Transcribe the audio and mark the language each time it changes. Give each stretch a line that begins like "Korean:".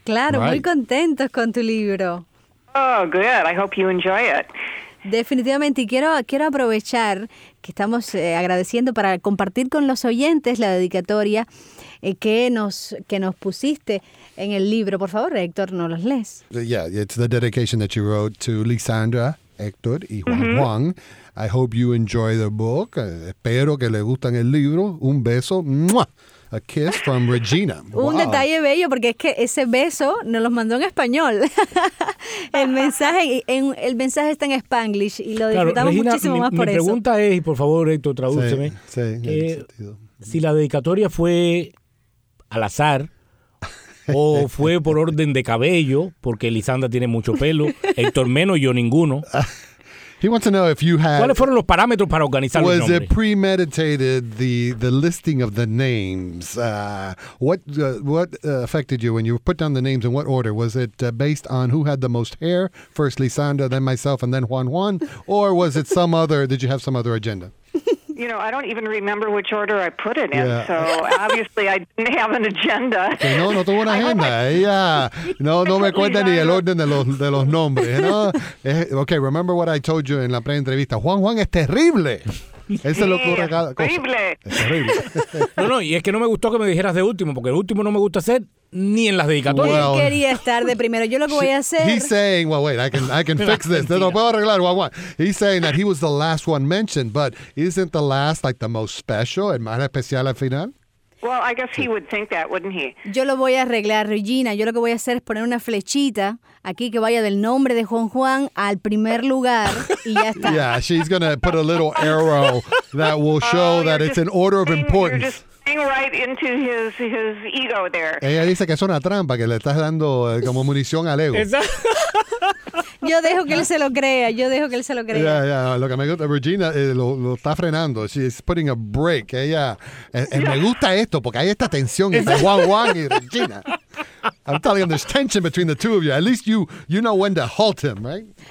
Spanish: Claro, right. Muy contentos con tu libro.
English: Oh, good. I hope you enjoy it.
Spanish: Definitivamente, y quiero aprovechar que estamos agradeciendo para compartir con los oyentes la dedicatoria que nos pusiste en el libro. Por favor, Héctor, no los lees.
English: Yeah, it's the dedication that you wrote to Lisandra, Héctor y Juan.
Spanish: Mm-hmm. Juan.
English: I hope you enjoy the book.
Spanish: Espero que le gustan el libro. Un beso. ¡Mua!
English: A kiss from Regina.
Spanish: Un wow. Detalle bello, porque es que ese beso nos lo mandó en español. El mensaje está en Spanglish y lo disfrutamos, claro, Regina, muchísimo más por mi eso. Mi pregunta es, y por favor, Héctor, tradúceme. Sí, en ese sentido. Si la dedicatoria fue al azar o fue por orden de cabello, porque Lisandra tiene mucho pelo, Héctor menos, yo ninguno.
English: He wants to know if you had. ¿Cuáles fueron los parámetros para organizar los nombres? Was it premeditated, the listing of the names? What affected you when you put down the names, in what order? Was it based on who had the most hair? First Lisandra, then myself, and then Juan. Or was it some other? Did you have some other agenda? You know, I don't even remember which order I put it in. Yeah. So obviously, I didn't have an agenda.
Spanish: Okay, no tuvo una agenda. No me acuerdo ni el orden de los nombres.
English: You know? Okay, remember what I told you in
Spanish: la pre-entrevista. Juan es terrible. Eso es lo que ocurre cada cosa. Terrible. Es terrible. No, y es que no me gustó que me dijeras de último, porque el último no me gusta hacer ni en las dedicatorias. Well, yo quería estar de primero. Yo lo que voy a hacer.
English: He's saying, well, wait, I can fix this.
Spanish: No puedo arreglar.
English: Juan. He's saying that he was the last one mentioned, but isn't the last like the most special,
Spanish: el más especial al final?
English: Well, I guess he would think that, wouldn't he?
Spanish: Yo lo voy a arreglar, Regina. Yo lo que voy a hacer es poner una flechita aquí que vaya del nombre de Juan al primer lugar y ya está.
English: Yeah, she's going to put a little arrow that will show that it's in order of importance. You're just going right into his ego there.
Spanish: Ella dice que es una trampa, que le estás dando como munición al ego. Yo dejo que él se lo crea,
English: Yeah.
Spanish: Lo que me gusta, Regina lo está frenando,
English: she's putting a break,
Spanish: ella, me gusta esto porque hay esta tensión entre Juan y Regina.
English: I'm telling you, there's tension between the two of you, at least you know when to halt him, right?